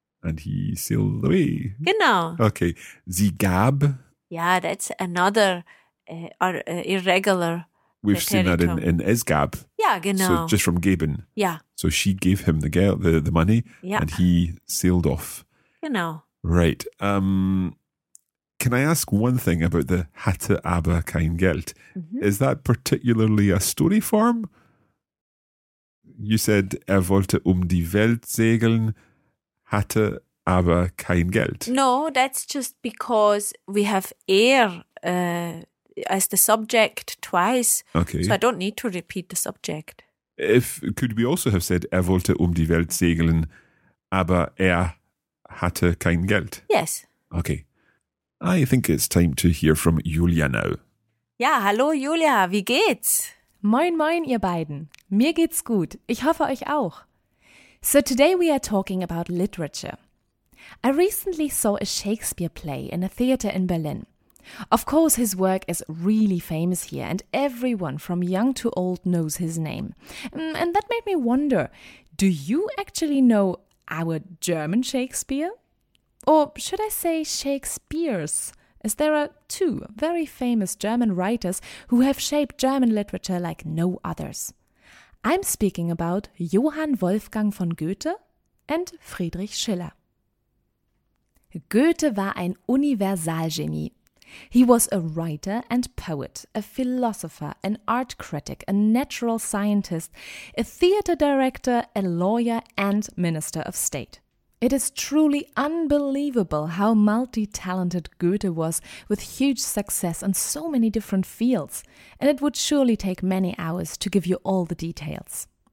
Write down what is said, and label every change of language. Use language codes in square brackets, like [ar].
[en] And he sailed away. [de] Genau. Okay. Sie gab. [en] Ja, that's another irregular. We've seen that in es gab. [de] Ja, genau. [en] So just from geben. [de] Ja. [en] So she gave him the money. [de] Ja. [en] And he sailed off. [de] Genau. [en] Right. Can I ask one thing about the [de] hatte aber kein Geld? Mm-hmm. [en] Is that particularly a story form? You said [de] er wollte um die Welt segeln, hatte aber kein Geld. [en] No, that's just because we have er as the subject twice. Okay. So I don't need to repeat the subject. Could we also have said [de] er wollte um die Welt segeln, aber er hatte kein Geld? [en] Yes. Okay. I think it's time to hear from Julia now. [de] Ja, hallo Julia, wie geht's? Moin moin ihr beiden. Mir geht's gut. Ich hoffe euch auch. [en] So today we are talking about literature. I recently saw a Shakespeare play in a theater in Berlin. Of course his work is really famous here and everyone from young to old knows his name. And that made me wonder, do you actually know our German Shakespeare? Or should I say Shakespeare's, as there are two very famous German writers who have shaped German literature like no others. I'm speaking about Johann Wolfgang von Goethe and Friedrich Schiller. [de] Goethe war ein Universalgenie. [en] He was a writer and poet, a philosopher, an art critic, a natural scientist, a theater director, a lawyer and minister of state. It is truly unbelievable how multi-talented Goethe was, with huge success in so many different fields, and it would surely take many hours to give you all the details.